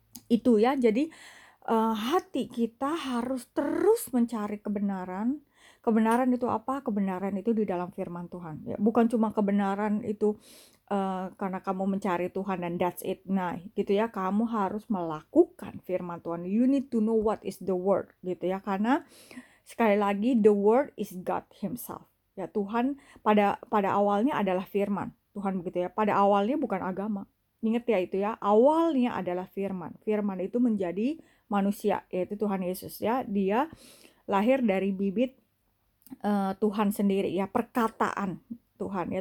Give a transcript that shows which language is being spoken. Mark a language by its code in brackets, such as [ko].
[id] Itu, ya, jadi hati kita harus terus mencari kebenaran. Kebenaran itu apa? Kebenaran itu di dalam firman Tuhan, ya. Bukan cuma kebenaran itu karena kamu mencari Tuhan dan [en] that's it, [id] nah, gitu, ya. Kamu harus melakukan firman Tuhan. [en] You need to know what is the word, gitu, ya. [id] Karena sekali lagi, [en] the word is God himself, ya. [id] Tuhan pada awalnya adalah firman Tuhan, begitu, ya. Pada awalnya bukan agama, ingat, ya, itu, ya. Awalnya adalah firman. Firman itu menjadi manusia, yaitu Tuhan Yesus, ya. Dia lahir dari bibit Tuhan sendiri, ya, perkataan Tuhan, ya.